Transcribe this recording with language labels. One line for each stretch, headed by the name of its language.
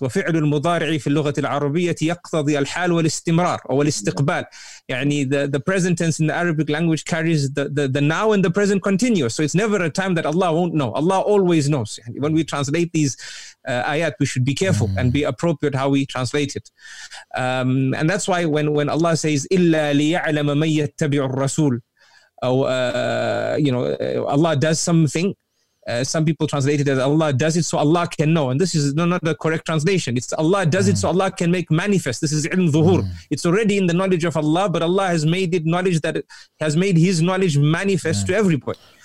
Arabic: وفعل المضارع في اللغة العربية يقتضي الحال والاستمرار أو الاستقبال.
English: يعني the present tense in the Arabic language carries the now and the present continuous. So it's never a time that Allah won't know. Allah always knows. When we translate these ayat, we should be careful and be appropriate how we translate it. And that's why when Allah says
Arabic: إلا ليعلم من يتبع الرسول.
English: Allah does something. Some people translate it as Allah does it so Allah can know. And this is not the correct translation. It's Allah does it so Allah can make manifest. This is ilm dhuhur. It's already in the knowledge of Allah, but Allah has made it knowledge that has made his knowledge manifest to everybody.